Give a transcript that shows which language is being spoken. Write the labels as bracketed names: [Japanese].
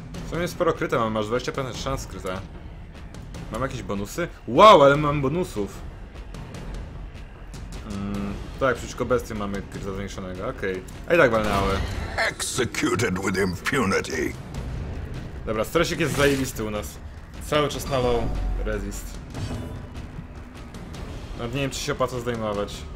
[Polish] To jest sporo kryte, mam aż 20% szans kryte. Mam jakieś bonusy? Wow, ale mam bonusów! Tak, przeciwko bestii mamy kryte zwiększonego, okej. Okay. A i tak walnęły. [English] Executed with impunity. [Polish] Dobra, stresik jest zajebisty u nas. Cały czas na low resist. Nawet nie wiem, czy się opłaca zdejmować.